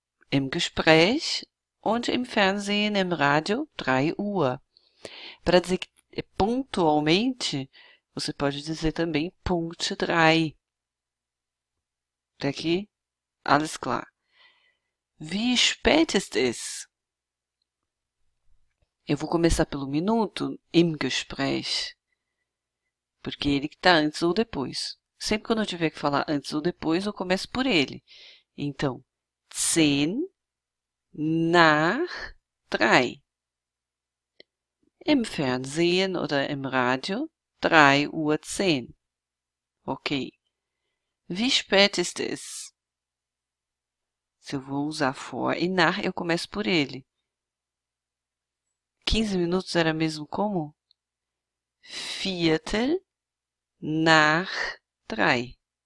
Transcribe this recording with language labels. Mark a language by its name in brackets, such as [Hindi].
[German] Im Gespräch und im Fernsehen, im Radio, 3:00. [Portuguese] Para dizer que pontualmente, você pode dizer também Punkt 3. Até aqui, [German] alles klar. Wie spät ist es? [Portuguese] Eu vou começar pelo minuto, [German] im Gespräch, [Portuguese] porque ele que está antes ou depois. Sempre quando eu tiver que falar antes ou depois, eu começo por ele. Então, 10:03. [German] Im Fernsehen oder im Radio, 3:10. Ok. Wie spät ist es? [Portuguese] Se eu vou usar vor e nach, eu começo por ele. 15 minutos era mesmo como? [German] Viertel nach 3.